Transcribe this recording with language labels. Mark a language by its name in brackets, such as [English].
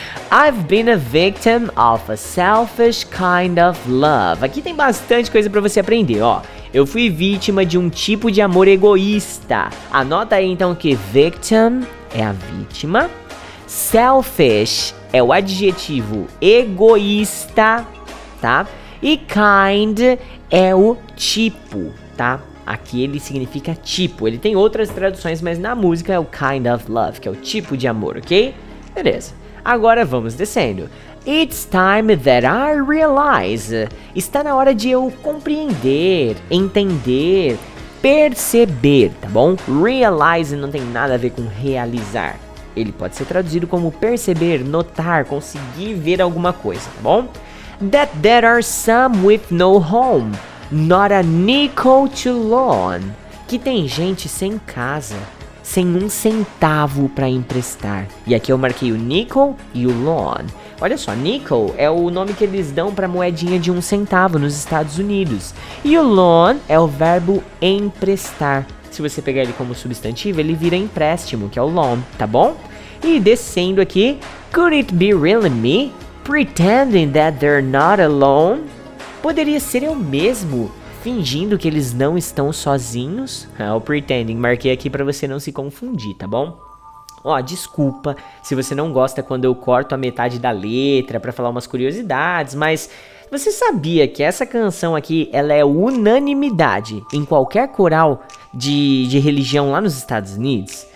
[English] I've been a victim of a selfish kind of love. [Portuguese] Aqui tem bastante coisa pra você aprender, ó. Eu fui vítima de um tipo de amor egoísta. Anota aí então que victim é a vítima. Selfish é o adjetivo egoísta, tá? E kind é o tipo, tá? Aqui ele significa tipo. Ele tem outras traduções, mas na música é o kind of love, que é o tipo de amor, ok? Beleza. Agora vamos descendo. [English] It's time that I realize. [Portuguese] Está na hora de eu compreender, entender, perceber, tá bom? Realize não tem nada a ver com realizar. Ele pode ser traduzido como perceber, notar, conseguir ver alguma coisa, tá bom? [English] That there are some with no home, not a nickel to loan. [Portuguese] Que tem gente sem casa, sem um centavo pra emprestar. E aqui eu marquei o nickel e o loan. Olha só, nickel é o nome que eles dão pra moedinha de um centavo nos Estados Unidos. E o loan é o verbo emprestar. Se você pegar ele como substantivo, ele vira empréstimo, que é o loan, tá bom? E descendo aqui, [English] could it be really me? Pretending that they're not alone? [Portuguese] Poderia ser eu mesmo, fingindo que eles não estão sozinhos? É o pretending, marquei aqui pra você não se confundir, tá bom? Ó, desculpa se você não gosta quando eu corto a metade da letra pra falar umas curiosidades, mas você sabia que essa canção aqui, ela é unanimidade em qualquer coral de religião lá nos Estados Unidos?